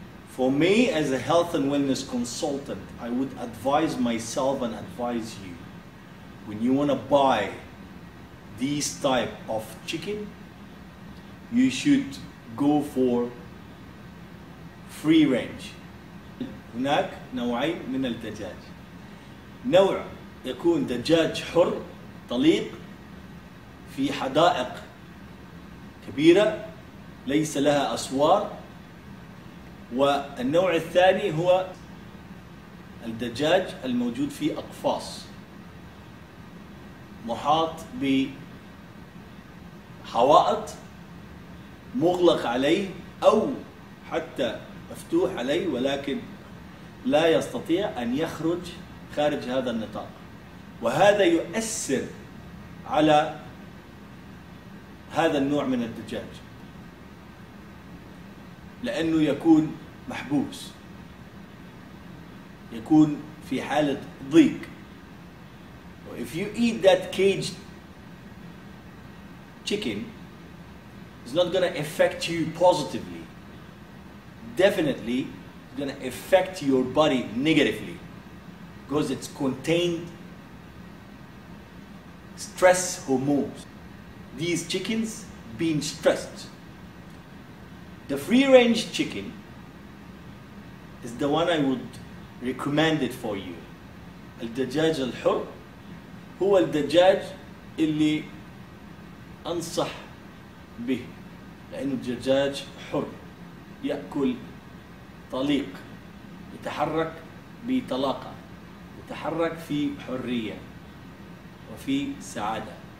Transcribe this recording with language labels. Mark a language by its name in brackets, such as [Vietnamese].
[English] For me, as a health and wellness consultant, I would advise myself and advise you, when you want to buy these type of chicken, you should go for free range. [Arabic] هناك نوعين من الدجاج. نوع يكون دجاج حر طليق في حدائق كبيرة ليس لها أسوار. والنوع الثاني هو الدجاج الموجود في أقفاص محاط بحوائط مغلق عليه أو حتى مفتوح عليه ولكن لا يستطيع أن يخرج خارج هذا النطاق، وهذا يؤثر على هذا النوع من الدجاج لأنه يكون محبوس، يكون في حالة ضيق. [English] If you eat that caged chicken, it's not going to affect you positively. Definitely it's going to affect your body negatively because it's contained stress hormones. These chickens being stressed. The free-range chicken is the one I would recommend it for you. [Arabic] الدجاج الحر هو الدجاج اللي أنصح به لأنه الدجاج حر يأكل طليق يتحرك بطلاقة يتحرك في حرية وفي سعادة.